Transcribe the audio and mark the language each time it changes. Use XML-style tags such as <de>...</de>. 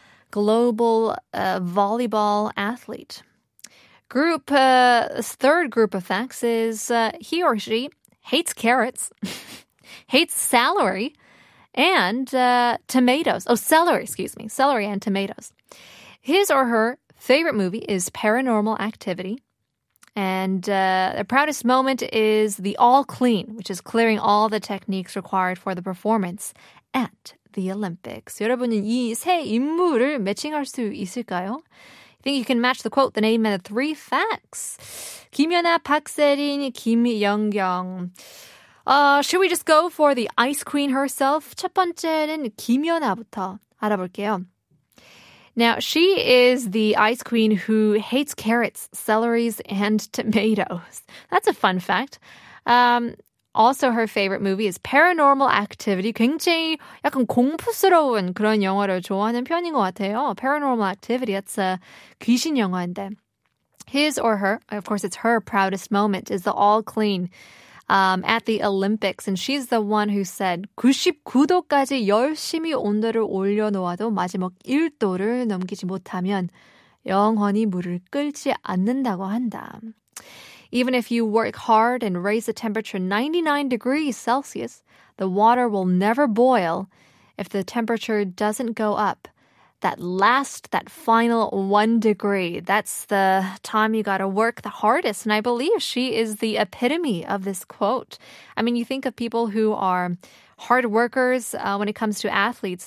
<en>Global volleyball athlete. Third group of facts is he or she hates carrots, hates celery, and tomatoes. Oh, celery, excuse me. Celery and tomatoes. His or her favorite movie is Paranormal Activity. And their proudest moment is the all clean, which is clearing all the techniques required for the performance at the Olympics.</en> <ko>여러분은 이 세 인물을 매칭할 수 있을까요?</ko> <en>Think you can match the quote, the name, and the three facts.</en> <ko>김연아, 박세린, 김연경.</ko> <en>Should we just go for the ice queen herself?</en> <ko>첫 번째는 김연아부터 알아볼게요.</ko> <en>Now, she is the ice queen who hates carrots, celeries, and tomatoes. That's a fun fact. Also, her favorite movie is Paranormal Activity.</en> <ko>굉장히 약간 공포스러운 그런 영화를 좋아하는 편인 것 같아요.</ko> <en>Paranormal Activity, that's a</en> <ko>귀신 영화인데.</ko> <en>His or her, of course, it's her proudest moment, is the all clean at the Olympics. And she's the one who said,</en> <ko>99도까지 열심히 온도를 올려놓아도 마지막 1도를 넘기지 못하면 영원히 물을 끓지 않는다고 한다.</ko> <en>Even if you work hard and raise the temperature 99 degrees Celsius, the water will never boil if the temperature doesn't go up. That final 1 degree, that's the time you gotta work the hardest. And I believe she is the epitome of this quote. I mean, you think of people who are hard workers when it comes to athletes.</en>